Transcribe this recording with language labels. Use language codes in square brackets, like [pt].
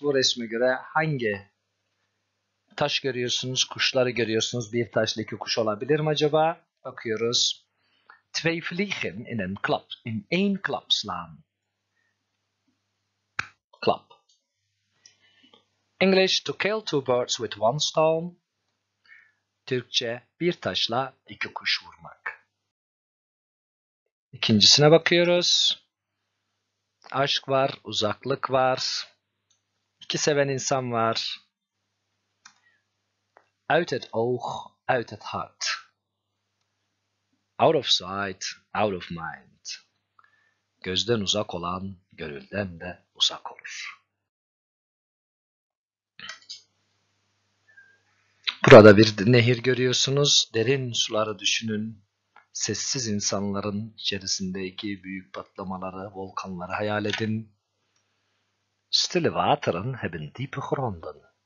[tr] Bu resme göre hangi taş görüyorsunuz, kuşları görüyorsunuz? Bir taşlı iki kuş olabilir mi acaba? Bakıyoruz. [nl] Twee vliegen in een klap, in één klap slaan. Klap. [en] English, to kill two birds with one stone. [tr] Türkçe, bir taşla iki kuş vurmak. İkincisine bakıyoruz. Aşk var, uzaklık var. İki seven insan var. [nl] Uit het oog, uit het hart. [en] Out of sight, out of mind. [tr] Gözden uzak olan, gönülden de uzak olur. Burada bir nehir görüyorsunuz. Derin suları düşünün. Sessiz insanların içerisindeki büyük patlamaları, volkanları hayal edin. [nl] Stille wateren hebben diepe gronden.